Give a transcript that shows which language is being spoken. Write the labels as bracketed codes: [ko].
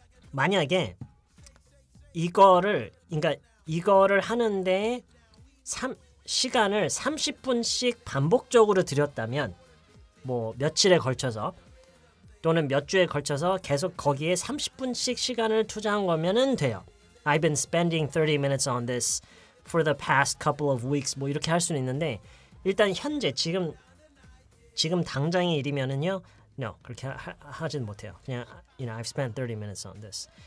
[ko] 만약에 이거를 그러니까 이거를 하는데 시간을 30분씩 반복적으로 드렸다면 뭐 며칠에 걸쳐서 또는 몇 주에 걸쳐서 계속 거기에 30분씩 시간을 투자한 거면은 돼요. [en] I've been spending 30 minutes on this for the past couple of weeks. [ko] 뭐 이렇게 할 수는 있는데 일단 현재 지금 당장의 일이면은요. [en] No, [ko] 그렇게 하진 못해요. 그냥 [en] you know, I've spent 30 minutes on this.